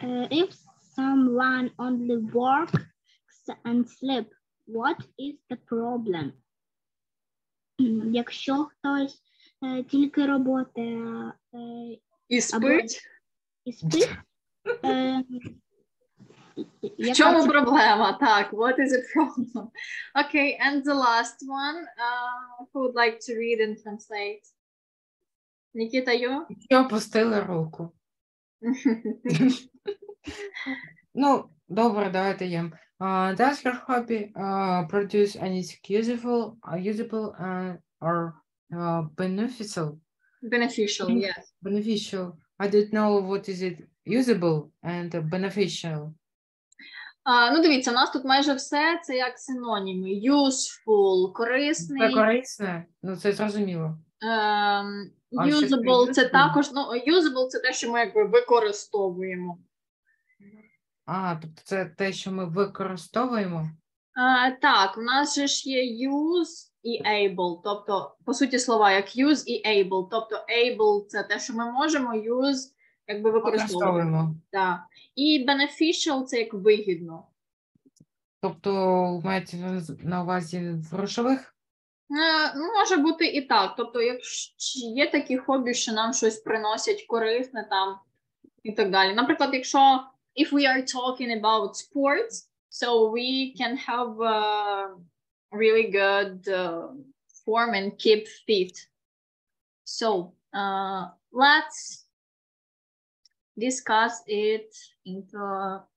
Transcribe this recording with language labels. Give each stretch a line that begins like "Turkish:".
English: If someone only works and sleep, what is the problem?
Ukrainian: Якщо хтось тільки роботи і спить, або, і спить, В чому проблема? Так,
English: what is the problem? Okay, and the last one, who would like to read and translate? Nikita, you?
Ukrainian: Я опустила руку. Ну, добре, давайте я.
English: Does your hobby produce anything usable or beneficial? Beneficial, yes. Beneficial. I don't know what is it usable and beneficial.
Ukrainian: Ну, дивіться, у нас тут майже все це як синоніми. Useful, корисний. Це корисне, ну це зрозуміло. Usable це також, ну, usable це те, що ми якби використовуємо. А, тобто це те, що ми використовуємо? Так, у нас же ж є use і able, тобто, по суті слова, як use і able, тобто able це те, що ми можемо use, якби використовуємо. Так. І beneficial це як вигідно. Тобто, маєте на увазі грошових? Ну, може бути і так. Тобто, якщо є такі хобі, що нам щось приносять корисне там і так далі. Наприклад, якщо
English: if we are talking about sports, so we can have a really good form and keep fit. So, let's discuss it in the